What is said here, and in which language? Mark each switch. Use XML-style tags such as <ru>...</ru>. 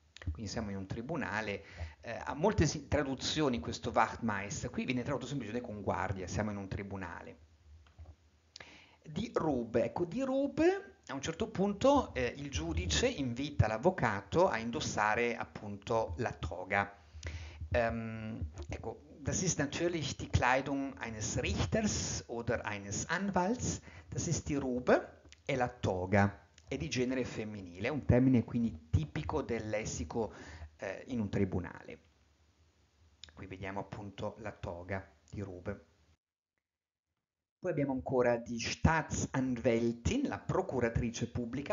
<it>Quindi siamo in un tribunale, ha molte traduzioni questo Wachtmeister, qui viene tradotto semplicemente con guardia, siamo in un tribunale. Di Rube, ecco, di Rube a un certo punto il giudice invita l'avvocato a indossare appunto la toga. Ecco,</it> <de>Das ist natürlich die Kleidung eines Richters oder eines Anwalts. Das ist die Robe</de> <it>e la toga. È di genere femminile, un termine quindi tipico del lessico in un tribunale. Qui vediamo appunto la toga di Robe. Poi abbiamo ancora die Staatsanwältin, la procuratrice pubblica.</it>